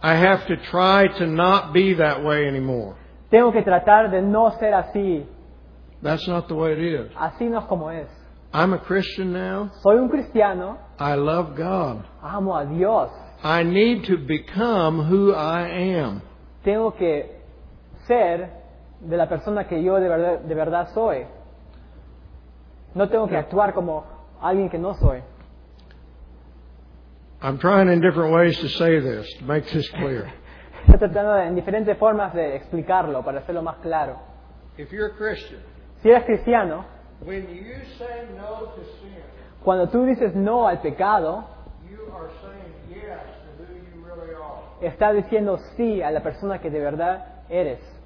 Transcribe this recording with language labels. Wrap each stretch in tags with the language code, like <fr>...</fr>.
<en>I have to try to not be that way anymore.</en> <es>Tengo que tratar de no ser así.</es> <en>That's not the way it is.</en> <es>Así no es como es.</es> <en>I'm a Christian now.</en> <es>Soy un cristiano.</es> <en>I love God.</en> <es>Amo a Dios.</es> <en>I need to become who I am.</en> <es>Tengo que ser de la persona que yo de verdad soy. No tengo que actuar como alguien que no soy.</es> <en>I'm trying in different ways to say this, to make this clear.</en> <es>Estoy tratando en diferentes formas de explicarlo para hacerlo más claro.</es> <en>If you're a Christian,</en> <es>si eres cristiano,</es> <en>when you say no to sin,</en> <es>cuando tú dices no al pecado,</es> <en>you are saying yes to who you really are.</en> <es>Estás diciendo sí a la persona que de verdad eres.</es>